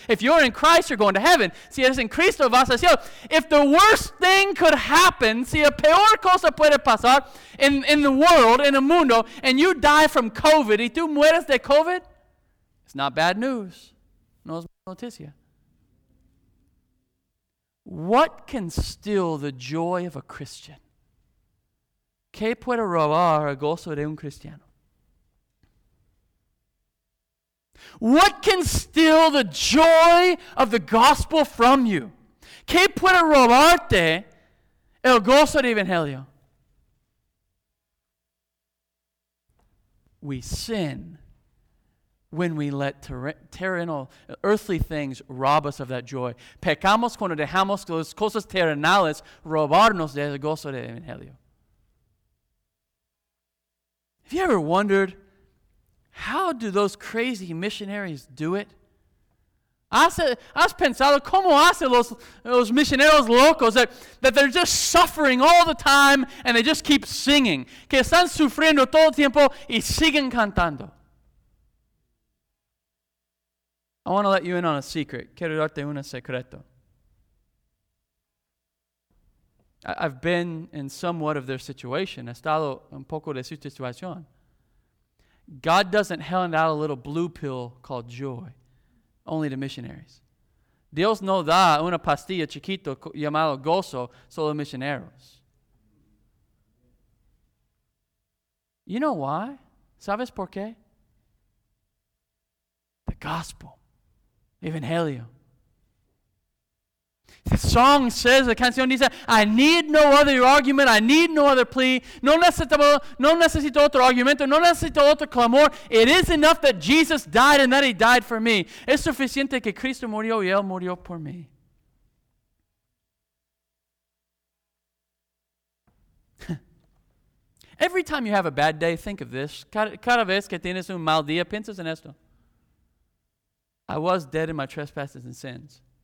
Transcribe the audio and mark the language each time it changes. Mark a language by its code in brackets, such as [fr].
[en] If you're in Christ, you're going to heaven. [es] Si eres en Cristo, vas al cielo. [en] If the worst thing could happen, [es] si la peor cosa puede pasar [en] in the world, in the mundo, and you die from COVID, [es] y tú mueres de COVID, [en] it's not bad news. [es] No es mala noticia. [en] What can steal the joy of a Christian? [es] ¿Qué puede robar el gozo de un cristiano? [en] What can steal the joy of the gospel from you? [es] ¿Qué puede robarte el gozo del evangelio? [en] We sin when we let terrenal, earthly things rob us of that joy. [es] Pecamos cuando dejamos las cosas terrenales robarnos del gozo del evangelio. [en] Have you ever wondered, how do those crazy missionaries do it? [es] Has pensado, ¿cómo hacen los misioneros locos [en] that they're just suffering all the time and they just keep singing? [es] Que están sufriendo todo el tiempo y siguen cantando. [en] I want to let you in on a secret. [es] Quiero darte un secreto. [en] I've been in somewhat of their situation. [es] He estado un poco de su situación. [en] God doesn't hand out a little blue pill called joy, only to missionaries. [es] Dios no da una pastilla chiquito llamado gozo, solo misioneros. [en] You know why? [es] ¿Sabes por qué? [en] The gospel, evangelio. The song says, the canción dice, I need no other argument, I need no other plea, [es] no necesito otro argumento, no necesito otro clamor. [en] It is enough that Jesus died and that he died for me. [es] Es suficiente que Cristo murió y él murió por mí. [en] Every time you have a bad day, think of this. [es] Cada vez que tienes un mal día, piensas en esto. [en] I was dead in my trespasses and sins.